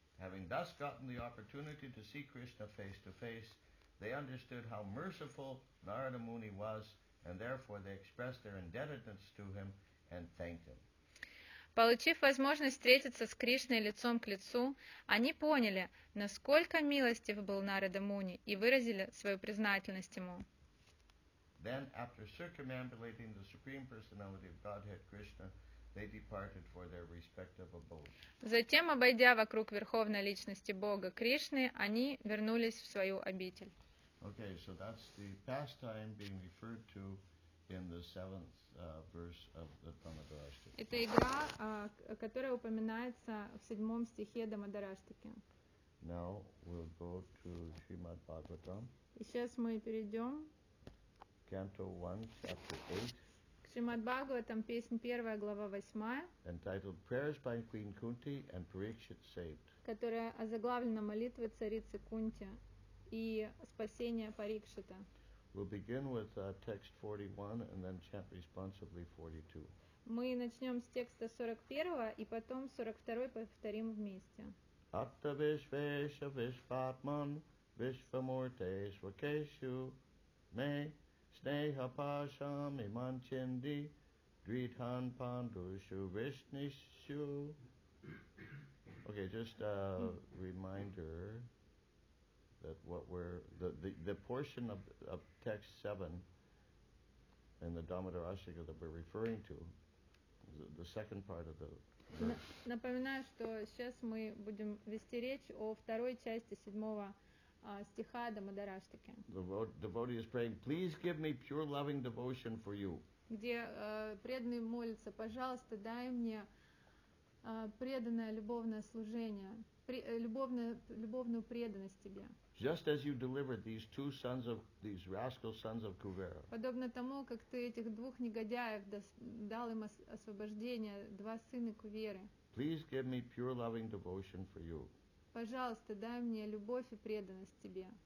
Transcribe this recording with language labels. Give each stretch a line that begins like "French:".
English: Having thus gotten the opportunity to see Krishna face to face, they understood how merciful Narada Muni was, and therefore they expressed their indebtedness to him and thanked him.
Russian: Получив возможность встретиться с Кришной лицом к лицу, они поняли, насколько милостив был Нарада Муни, и выразили свою признательность ему.
English: Then, after circumambulating the Supreme Personality of Godhead Krishna, they departed for their respective abode.
Russian: Затем, обойдя вокруг Верховной Личности Бога Кришны, они вернулись в свою обитель.
English: Okay, so that's the pastime being referred to in the seventh verse of the Dhammadharashtika.
Russian: Это игра, которая упоминается в седьмом стихе Дамадараштики.
English: Now we'll go to Srimad Bhagavatam.
Russian: И сейчас мы перейдем.
English: Canto 1, chapter 8.
Russian: Srimad Bhagavatam, песнь 1, глава 8.
English: Entitled Prayers by Queen Kunti and Parikshit Saved.
Russian: Которая озаглавлена молитвой царицы Кунти и спасение Парикшита.
English: We'll begin with text 41 and then chant responsively 42.
Russian: Мы начнем с текста 41 и потом 42 повторим вместе.
Sanskrit: Атта вишвеша вишватман вишвамурте свакешу ме снеха пашам иманчинди дритхан пандушу вишнишу.
English: Okay, just a reminder that what we're the portion of text 7 in the Dhammadharashtika that we're referring to, the second part of the verse.
Russian: Напоминаю, что сейчас мы будем вести речь о второй части седьмого стиха Дхаммадараштики.
English: The devotee is praying, please give me pure loving devotion for you.
Russian: Где преданный молится, пожалуйста, дай мне преданное любовное служение, любовную преданность тебе.
English: Just as you delivered these two sons of these rascal sons of Kuvera.
Russian: Подобно тому, как ты этих двух негодяев дал им освобождение, два сына Куверы.
English: Please give me pure loving devotion for you.
Russian: Пожалуйста, дай мне любовь и преданность тебе.